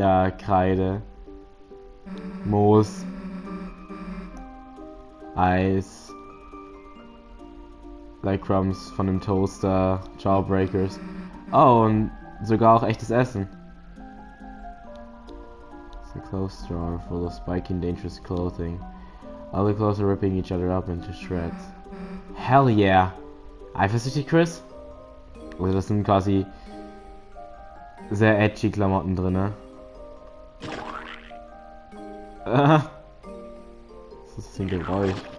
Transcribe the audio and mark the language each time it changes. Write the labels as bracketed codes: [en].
[de] Kreide. Moos. Eis. Breadcrumbs von dem Toaster. Jawbreakers. Oh, und sogar auch echtes Essen. [en] It's a clothes drawer full of spiky and dangerous clothing. All the clothes are ripping each other up into shreds. Hell yeah! [de] Eifersüchtig, [en] Chris? [de] Also das sind quasi sehr edgy Klamotten drin, ne? Was ist das für ein Geräusch?